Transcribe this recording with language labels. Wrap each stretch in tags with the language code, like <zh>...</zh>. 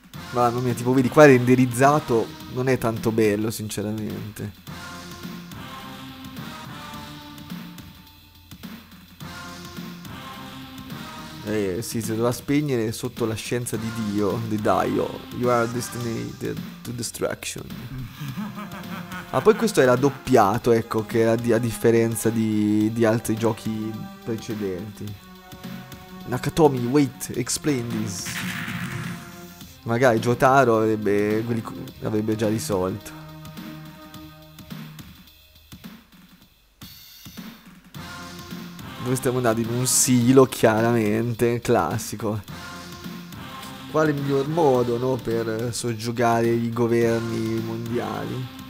<it>Mamma mia, tipo vedi qua renderizzato, non è tanto bello sinceramente. Sì, si doveva spegnere sotto la scienza di Dio, di Dio.</it> <en>You are destined to destruction.</en> <it>Ah, poi questo era doppiato, ecco, che era a differenza di altri giochi precedenti.</it> <en>Nakatomi, wait, explain this.</en> <it>Magari Jotaro avrebbe già risolto. Noi stiamo andando in un silo, chiaramente, classico. Quale miglior modo, no, per soggiogare i governi mondiali?</it>